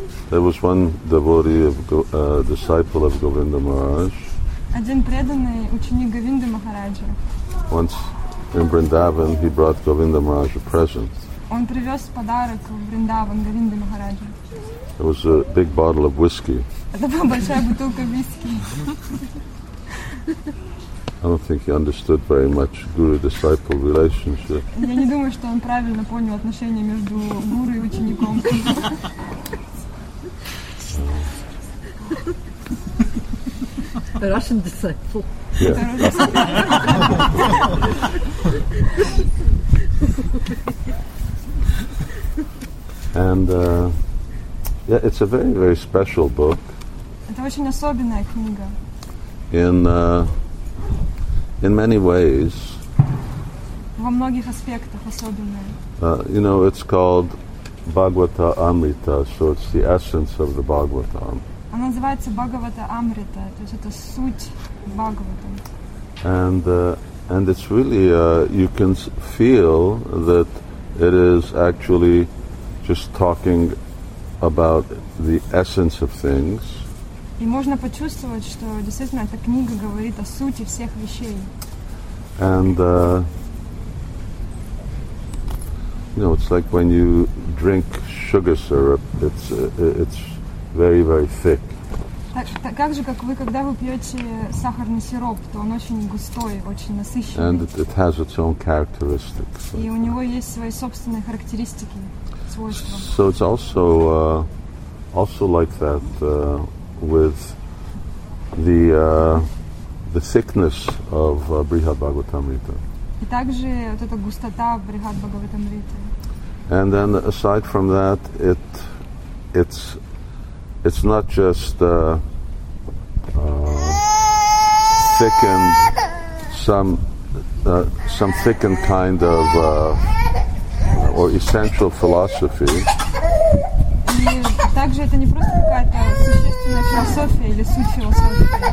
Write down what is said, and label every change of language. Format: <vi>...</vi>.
<en>There was one devotee of disciple of Govinda Maharaj.</en> <ru>Один преданный ученик Говинды Махараджа.</ru> <en>Once in Vrindavan, he brought Govinda Maharaj a present.</en> <ru>Он привез подарок в Вриндаван Говинде Махараджа.</ru> <en>It was a big bottle of whiskey.</en> <ru>Это была большая бутылка виски.</ru> <en>I don't think he understood very much guru-disciple relationship.</en> <ru>Я не думаю, что он правильно понял отношения между гуру и учеником.</ru> <en>Russian disciple. Yeah. And Yeah, it's a very, very special book.</en> <ru>Это очень особенная книга.</ru> <en>In many ways.</en> <ru>Во многих аспектах особенная.</ru> <en>You know, it's called Bhagavata Amrita, so it's the essence of the Bhagavatam.</en> <ru>Она называется Бхагавата Амрита, то есть это суть Бхагаватам.</ru> <en>And it's really you can feel that it is actually just talking about the essence of things.</en> <ru>И можно почувствовать, что действительно эта книга говорит о сути всех вещей.</ru> <en>And you know, it's like when you drink sugar syrup, it's very, very thick.</en> <ru>Так же, как вы, когда вы пьете сахарный сироп, то он очень густой, очень насыщенный.</ru> <en>And it has its own characteristics.</en> <ru>И у него есть свои собственные характеристики, свойства.</ru> <en>So it's also also like that with the thickness of Brihadbhagavatamrita.</en> <ru>И также вот эта густота Брихадбхагаватамриты.</ru> <en>And then aside from that, it's not just thickened kind of or essential philosophy.</en> <ru>Также это не просто какая-то существенная философия или суть философии.</ru>